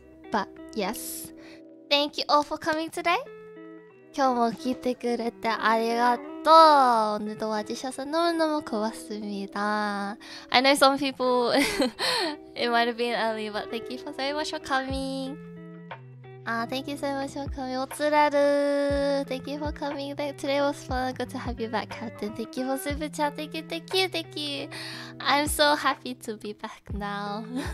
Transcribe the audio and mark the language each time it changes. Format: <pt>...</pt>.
<en>But yes, thank you all for coming today.</en> <ja>今日も聞いてくれてありがとう!</ja> <ko>오늘도 와주셔서 너무너무 고맙습니다.</ko> <en>I know some people, it might have been early, but thank you for so much for coming. Thank you so much for coming.</en> <ja>お連れる!</ja> <en>Thank you for coming back. Today was fun. Good to have you back, Captain. Thank you for super chat. Thank you. I'm so happy to be back now.</en>